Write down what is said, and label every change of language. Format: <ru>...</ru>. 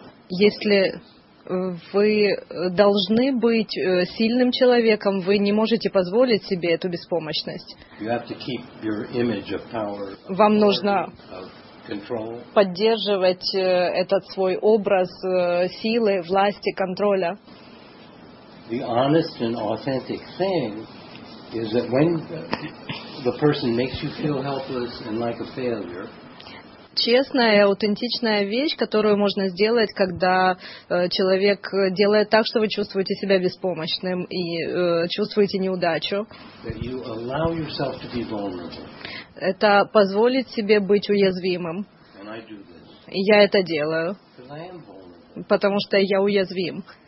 <ru>Если вы должны быть сильным человеком, вы не можете позволить себе эту беспомощность. Вам нужно поддерживать этот свой образ силы, власти, контроля.</ru> <en>The honest and authentic thing is that when the person makes you feel helpless and like a failure.</en> <ru>Честная, аутентичная вещь, которую можно сделать, когда человек делает так, что вы чувствуете себя беспомощным и чувствуете неудачу.</ru> <en>That you allow yourself to be vulnerable.</en> <ru>Это позволить себе быть уязвимым. И я это делаю, потому что я уязвим.</ru>